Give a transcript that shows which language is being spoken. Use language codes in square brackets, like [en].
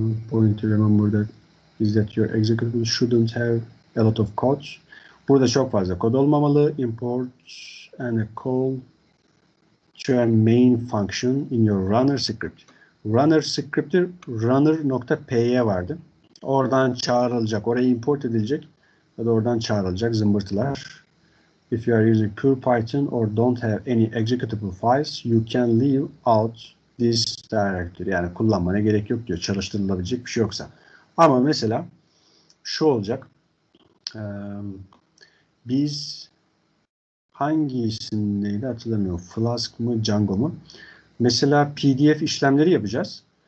[en] Point to remember that is that your executable shouldn't have a lot of code. [tr] Burada çok fazla kod olmamalı. [en] Import and a call to a main function in your runner script. [tr] Runner script'i runner.py vardı. Oradan çağrılacak, oraya import edilecek ya da oradan çağrılacak zımbırtılar. [en] If you are using pure Python or don't have any executable files, you can leave out this directory. [tr] Yani kullanmana gerek yok diyor, çalıştırılabilecek bir şey yoksa. Ama mesela şu olacak. Biz hangisindeydi hatırlamıyorum. Flask mı, Django mu? Mesela PDF işlemleri yapacağız.